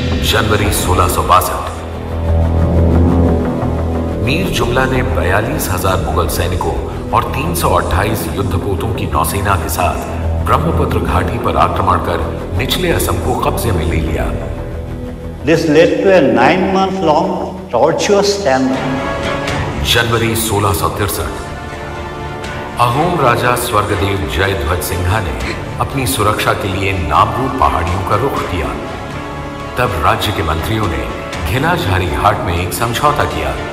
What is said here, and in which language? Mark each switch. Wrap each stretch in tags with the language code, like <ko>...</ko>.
<hi>जनवरी 1662 मीर जुमला ने 42,000 मुगल सैनिकों और 328 युद्धपोतों की नौसेना के साथ ब्रह्मपुत्र घाटी पर आक्रमण कर निचले असम को कब्जे में ले लिया।</hi> <en>This led to a 9-month long tortuous campaign।</en> <hi>जनवरी 1663 अहोम राजा स्वर्गदेव जयध्वज सिंघा ने अपनी सुरक्षा के लिए नाम्बू पहाड़ियों का रुख किया। तब राज्य के मंत्रियों ने घिलाझारी घाट में एक समझौता किया।</hi>